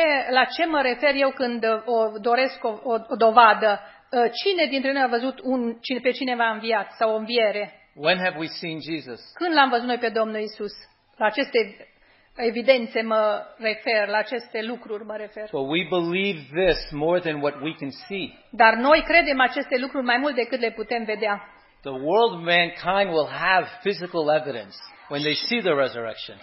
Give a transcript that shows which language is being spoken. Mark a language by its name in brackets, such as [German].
[Romanian] La ce mă refer eu când o doresc o dovadă? Cine dintre noi a văzut pe cineva înviat sau o înviere? [English] When have we seen Jesus? [Romanian] Când l-am văzut noi pe Domnul Iisus? La aceste evidențe mă refer, la aceste lucruri mă refer. [English] So we believe this more than what we can see. [Romanian] Dar noi credem aceste lucruri mai mult decât le putem vedea. [English] The world of mankind will have physical evidence when they see the resurrection.